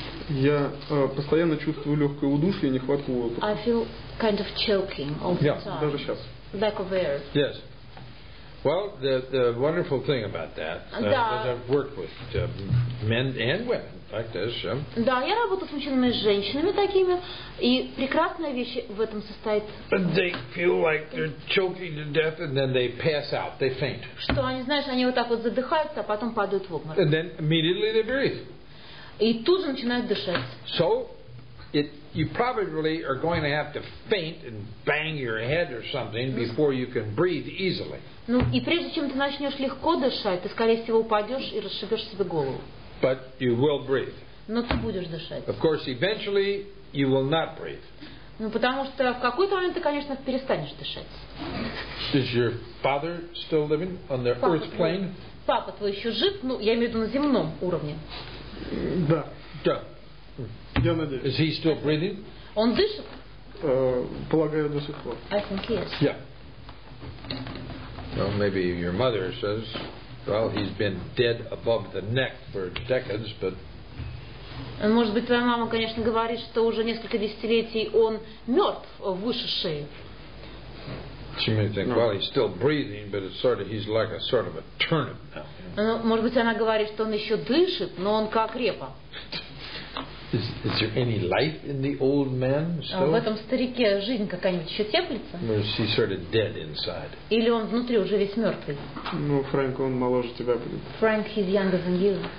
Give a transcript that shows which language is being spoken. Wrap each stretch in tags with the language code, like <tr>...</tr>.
<ru>Я постоянно чувствую легкое удушье и нехватку воздуха.</ru> <en>I feel kind of choking all the time.</en> <ru>Даже сейчас.</ru> <en>Lack of air. Yes. Well, the wonderful thing about that is I've worked with men and women.</en> <ru>Да, я работаю с мужчинами и женщинами такими, и прекрасная вещь в этом состоит.</ru> <en>They feel like they're choking to death, and then they pass out, they faint.</en> <ru>Что они, знаешь, они вот так вот задыхаются, а потом падают в обморок.</ru> <en>And then immediately they breathe.</en> <ru>И тут же начинают дышать.</ru> <en>So, you probably are going to have to faint and bang your head or something before you can breathe easily.</en> <ru>Ну и прежде чем ты начнешь легко дышать, ты скорее всего упадешь и расшибешь себе голову.</ru> <en>But you will breathe.</en> <ru>Но ты будешь дышать.</ru> <en>Of course, eventually you will not breathe.</en> <ru>Ну потому что в какой-то момент ты, конечно, перестанешь дышать.</ru> <en>Is your father still living on the earth plane?</en> <ru>Папа твой еще жив? Ну я имею в виду на земном уровне. Да. Да. Я надеюсь.</ru> <en>Is he still breathing?</en> <ru>Он дышит? Полагаю, до сих пор.</ru> <en>I think he is. Yeah. Well, maybe your mother says. Well, he's been dead above the neck for decades, but.</en> <ru>Может быть, твоя мама, конечно, говорит, что уже несколько десятилетий он мертв выше шеи.</ru> <en>She may think, well, he's still breathing, but it's sort of he's like a sort of a turnip now.</en> <ru>Может быть, она говорит, что он еще дышит, но он как репа.</ru> <en>Is there any life in the old man still?</en> <ru>В этом старике жизнь какая-нибудь еще теплится?</ru> <en>Or is he sort of dead inside?</en> <ru>Или он внутри уже весь мертвый? Ну, Фрэнк, он моложе тебя будет.</ru> <en>Frank, he's younger than you.</en>